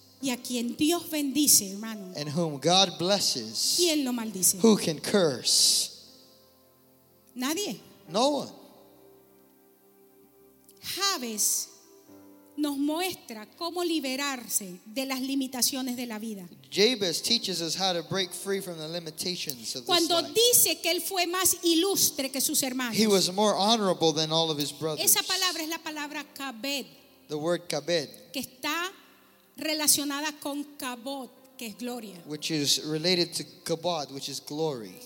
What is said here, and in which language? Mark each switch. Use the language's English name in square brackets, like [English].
[Spanish] Y a quien Dios bendice, hermano. [English] And whom God blesses. [Spanish] ¿Quién lo maldice? [English] Who can curse? [Spanish] Nadie. [English] No one. [Spanish] Jabez nos muestra cómo liberarse de las limitaciones de la vida. [English] Jabez teaches us how to break free from the limitations of this life. [Spanish] Cuando dice que él fue más ilustre que sus hermanos. [English] He was more honorable than all of his brothers. [Spanish] Esa palabra es la palabra kabed. [English] The word kabed. [Spanish] Que está relacionada con kabod, que es gloria. [English] Which is related to kabod, which is glory.